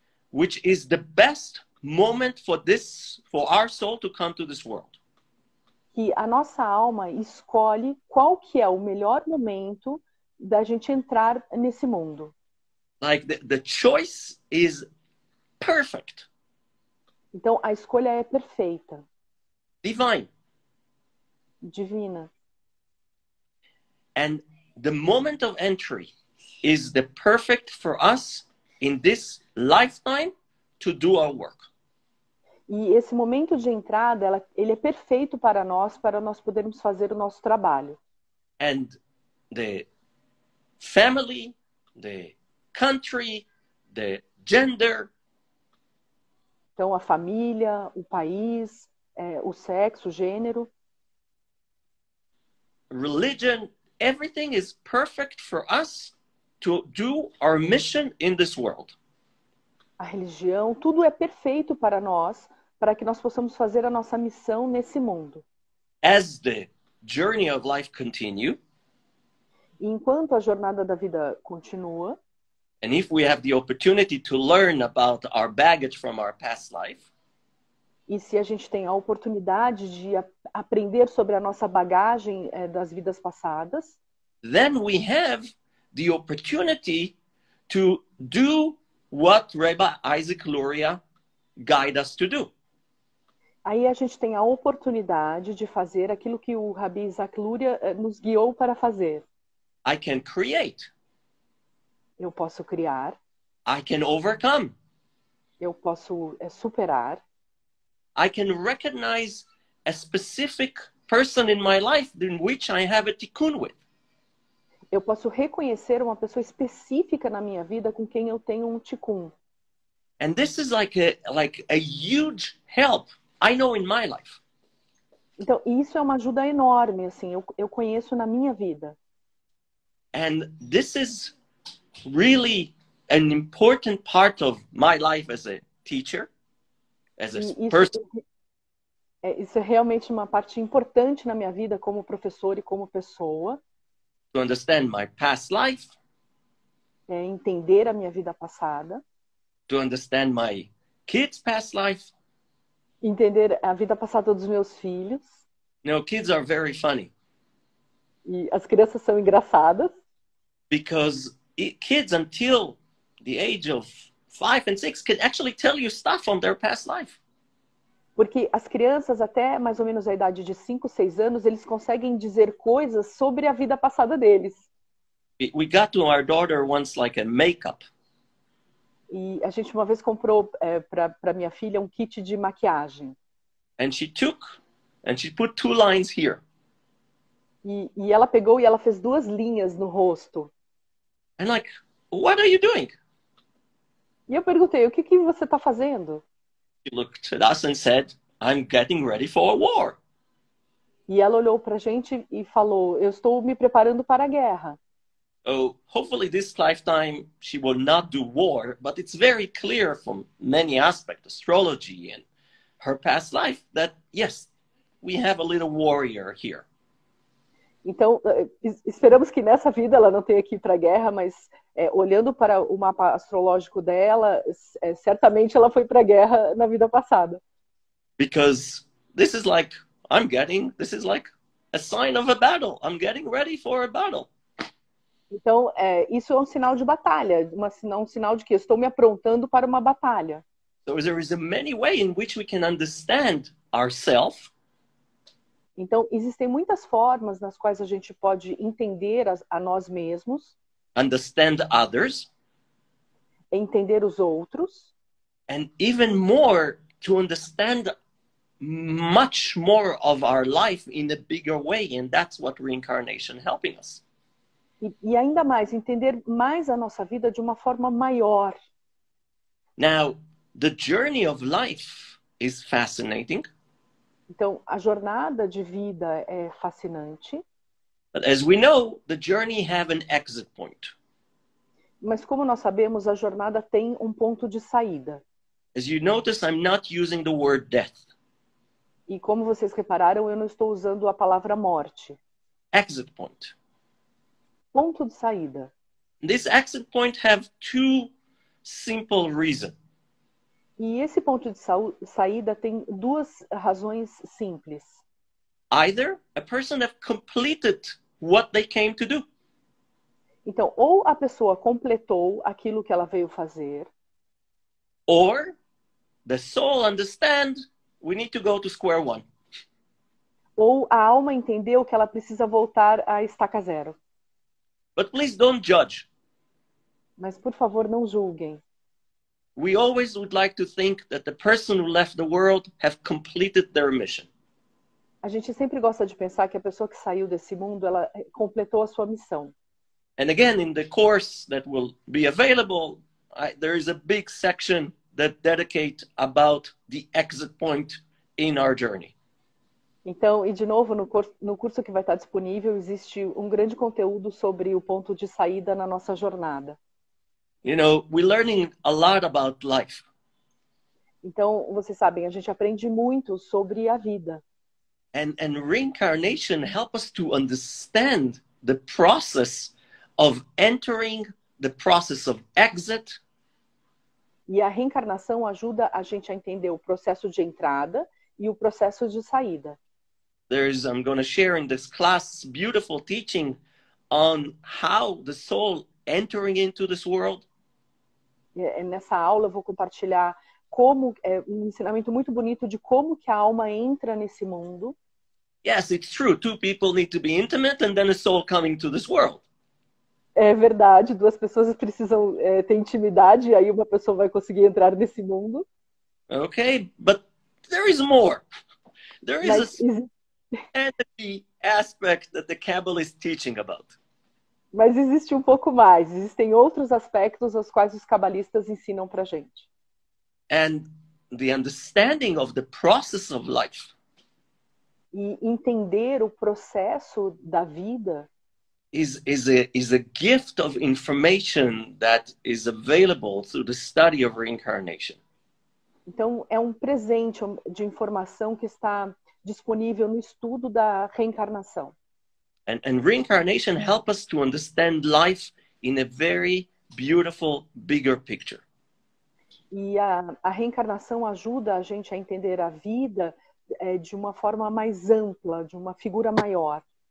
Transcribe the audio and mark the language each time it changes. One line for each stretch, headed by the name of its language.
English: which is the best moment for this, for our soul to come to this world.
Portuguese: Que a nossa alma escolhe qual que é o melhor momento da gente entrar nesse mundo.
English: Like the choice is perfect.
Portuguese: Então a escolha é perfeita.
English: Divine.
Portuguese: Divina.
English: And the moment of entry is the perfect for us in this lifetime to do our work.
Portuguese: E esse momento de entrada, ele é perfeito para nós podermos fazer o nosso trabalho.
English: And the family, the country, the gender.
Portuguese: Então a família, o país, o sexo, o gênero.
English: Religion, everything is perfect for us to do our mission in this world.
Portuguese: A religião, tudo é perfeito para nós, para que nós possamos fazer a nossa missão nesse mundo.
English: As the journey of life continue,
Portuguese: enquanto a jornada da vida continua,
English: and if we have the opportunity to learn about our baggage from our past life,
Portuguese: e se a gente tem a oportunidade de aprender sobre a nossa bagagem das vidas passadas,
English: then we have the opportunity to do what Rabbi Isaac Luria guide us to do.
Portuguese: Aí a gente tem a oportunidade de fazer aquilo que o Rabbi Isaac Luria nos guiou para fazer.
English: I can create.
Portuguese: Eu posso criar.
English: I can overcome.
Portuguese: Eu posso superar.
English: I can recognize a specific person in my life in which I have a tikkun with.
Portuguese: Eu posso reconhecer uma pessoa específica na minha vida com quem eu tenho um tikkun.
English: And this is like a huge help I know in my life.
Portuguese: Então, isso é uma ajuda enorme, assim, eu conheço na minha vida.
English: And this is really an important part of my life as a teacher, as a person.
Portuguese: Isso é realmente uma parte importante na minha vida como professor e como pessoa.
English: To understand my past life.
Portuguese: É entender a minha vida passada.
English: To understand my kids' past life.
Portuguese: Entender a vida passada dos meus filhos.
English: Now, kids are very funny.
Portuguese: E as crianças são engraçadas.
English: Because kids until the age of 5 and 6 can actually tell you stuff on their past life.
Portuguese: Porque as crianças, até mais ou menos a idade de 5, 6 anos, eles conseguem dizer coisas sobre a vida passada deles.
English: We got to our daughter once like a makeup.
Portuguese: E a gente uma vez comprou para minha filha um kit de maquiagem.
English: And she took and she put 2 lines here.
Portuguese: E ela pegou e ela fez 2 linhas no rosto.
English: And like, what are you doing?
Portuguese: E eu perguntei, o que que você está fazendo?
English: She looked at us and said, I'm getting ready for a war.
Portuguese: E ela olhou pra gente e falou, eu estou me preparando para a guerra.
English: Oh, hopefully this lifetime she will not do war, but it's very clear from many aspects, astrology and her past life, that yes, we have a little warrior here.
Portuguese: Então, esperamos que nessa vida ela não tenha que ir para a guerra, mas olhando para o mapa astrológico dela, certamente ela foi para a guerra na vida passada.
English: Because this is like, I'm getting, this is like a sign of a battle. I'm getting ready for a battle.
Portuguese: Então, isso é um sinal de batalha, um sinal de que estou me aprontando para uma batalha.
English: So there is a many way in which we can understand ourselves.
Portuguese: Então, existem muitas formas nas quais a gente pode entender a nós mesmos.
English: Understand others.
Portuguese: Entender os outros.
English: And even more, to understand much more of our life in a bigger way. And that's what reincarnation helping us.
Portuguese: E ainda mais, entender mais a nossa vida de uma forma maior.
English: Now, the journey of life is fascinating.
Portuguese: Então, a jornada de vida é fascinante.
English: But as we know, the journey has an exit point.
Portuguese: Mas como nós sabemos, a jornada tem um ponto de saída.
English: As you notice, I'm not using the word death.
Portuguese: E como vocês repararam, eu não estou usando a palavra morte.
English: Exit point.
Portuguese: Ponto de saída.
English: This exit point have 2 simple reasons.
Portuguese: E esse ponto de saída tem duas razões simples.
English: Either a person have completed what they came to do.
Portuguese: Então, ou a pessoa completou aquilo que ela veio fazer.
English: Or the soul understands we need to go to square one.
Portuguese: Ou a alma entendeu que ela precisa voltar à estaca zero.
English: But please don't judge.
Portuguese: Mas, por favor, não julguem.
English: We always would like to think that the person who left the world have completed their mission.
Portuguese: A gente sempre gosta de pensar que a pessoa que saiu desse mundo, ela completou a sua missão.
English: And again, in the course that will be available, there is a big section that dedicate about the exit point in our journey.
Portuguese: Então, e de novo, no curso que vai estar disponível, existe um grande conteúdo sobre o ponto de saída na nossa jornada.
English: You know, we're learning a lot about life.
Portuguese: Então, vocês sabem, a gente aprende muito sobre a vida.
English: And reincarnation helps us to understand the process of entering, the process of exit.
Portuguese: E a reencarnação ajuda a gente a entender o processo de entrada e o processo de saída.
English: I'm going to share in this class beautiful teaching on how the soul entering into this world.
Portuguese: Nessa aula eu vou compartilhar como é um ensinamento muito bonito de como que a alma entra nesse mundo.
English: Yes, it's true. Two people need to be intimate and then a soul coming to this world.
Portuguese: É verdade, duas pessoas precisam ter intimidade e aí uma pessoa vai conseguir entrar nesse mundo.
English: Okay, but there is more. There is a energy aspect that the Kabbalah is teaching about.
Portuguese: existe um pouco mais, existem outros aspectos aos quais os cabalistas ensinam para a gente.
English: And the understanding of the process of life.
Portuguese: E entender o processo da vida
English: Is a gift of information that is available through the study of reincarnation.
Portuguese: Então, é um presente de informação que está disponível no estudo da reencarnação.
English: And reincarnation helps us to understand life in a very beautiful, bigger picture.
Portuguese: E a reencarnação ajuda a gente a entender a vida de uma forma mais ampla, de uma figura maior.